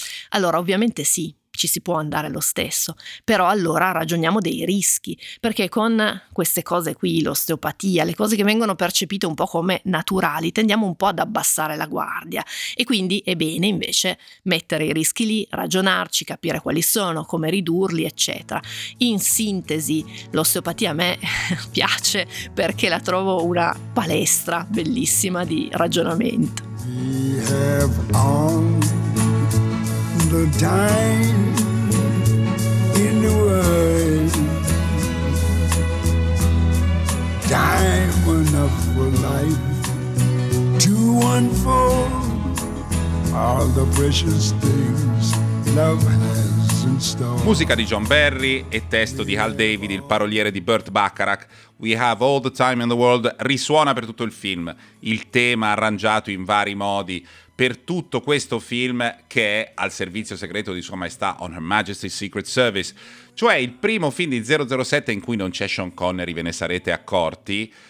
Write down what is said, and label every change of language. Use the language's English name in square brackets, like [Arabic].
[Italian] Allora, ovviamente sì, ci si può andare lo stesso, però allora ragioniamo dei rischi, perché con queste cose qui, l'osteopatia, le cose che vengono percepite un po' come naturali, tendiamo un po' ad abbassare la guardia, e quindi è bene invece mettere i rischi lì, ragionarci, capire quali sono, come ridurli, eccetera. In sintesi, l'osteopatia a me piace perché la trovo una palestra bellissima di ragionamento. [English] The time in the world, time enough for life to unfold all the precious things love has in store. [Italian] Musica di John Barry e testo di Hal David, il paroliere di Burt Bacharach. We Have All the Time in the World risuona per tutto il film, il tema arrangiato in vari modi per tutto questo film, che è al servizio segreto di Sua Maestà, On Her Majesty's Secret Service, cioè il primo film di 007 in cui non c'è Sean Connery, ve ne sarete accorti.